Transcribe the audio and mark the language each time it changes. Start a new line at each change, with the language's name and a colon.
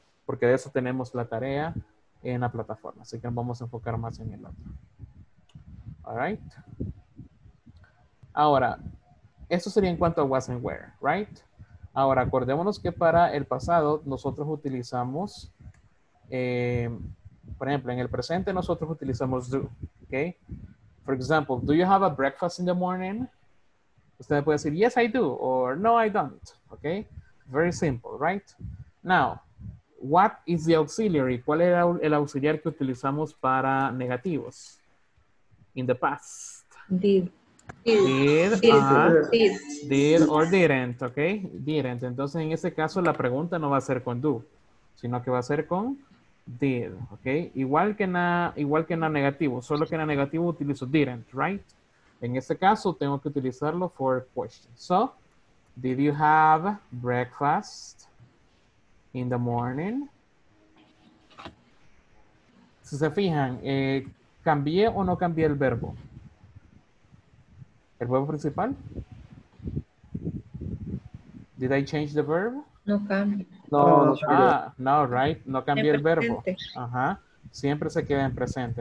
Spanish: Porque de eso tenemos la tarea en la plataforma, así que nos vamos a enfocar más en el otro. Alright. Ahora, eso sería en cuanto a
English: was and where,
Spanish: ¿right? Ahora, acordémonos que para el pasado nosotros utilizamos, por ejemplo, en el presente nosotros utilizamos do, ¿ok?
English: For example, do you have a breakfast in the morning?
Spanish: Usted puede decir,
English: yes, I do, or no, I don't, okay? Very simple, right? Now, what is the auxiliary?
Spanish: ¿Cuál era el auxiliar que utilizamos para negativos?
English: In the past. Did or didn't, okay? Didn't.
Spanish: Entonces, en ese caso, la pregunta no va a ser con do, sino que va a ser con... did, okay? Igual que en la negativo, solo que en la negativo utilizo didn't, right? En este caso tengo que utilizarlo
English: for questions. So, did you have breakfast in the morning?
Spanish: Si se fijan, ¿cambié o no cambié el verbo? ¿El verbo principal?
English: Did I change the verb?
Spanish: No cambia. No, no, no, right? No cambié el verbo. Ajá. Siempre se queda en presente.